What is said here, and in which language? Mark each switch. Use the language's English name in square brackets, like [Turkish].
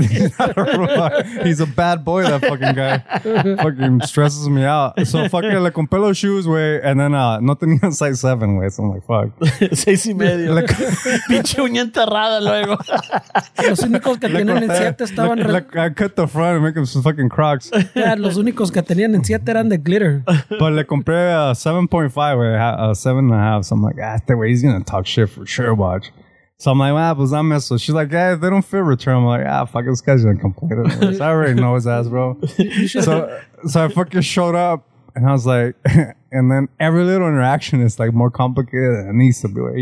[English] He's a bad boy, that fucking guy. Fucking stresses me out. So fucking [Spanish] le compré los [English] shoes, güey. And then [Spanish] no tenía [English] size 7, güey. So I'm like, fuck. [Spanish] 6.5. Pinche uña enterrada luego. Los únicos que tenían en 7 estaban... [English] I cut the front and make him some fucking Crocs. [Spanish] Yeah, los únicos que tenían en 7 eran de glitter. But le compré 7.5, güey. 7.5. [English] So I'm like, ah, that way he's gonna talk shit for sure, watch. So I'm like, well, I'm messed up. She's like, yeah, hey, they don't fit return. I'm like, ah, fuck, this guy's gonna complain. I already know his ass, bro. So I fucking showed up and I was like, and then every little interaction is like more complicated than it needs to be.